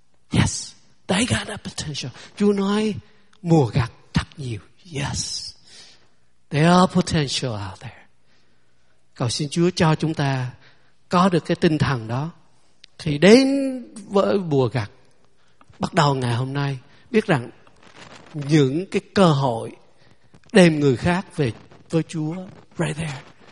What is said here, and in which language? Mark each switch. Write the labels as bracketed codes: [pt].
[en] Yes, they got the potential. [vi] Chúa nói mùa gặt thật nhiều. [en] Yes, there are potential out there. [vi] Cầu xin Chúa cho chúng ta có được cái tinh thần đó. Thì đến với mùa gặt, bắt đầu ngày hôm nay, biết rằng những cái cơ hội đem người khác về với Chúa, [en] right there.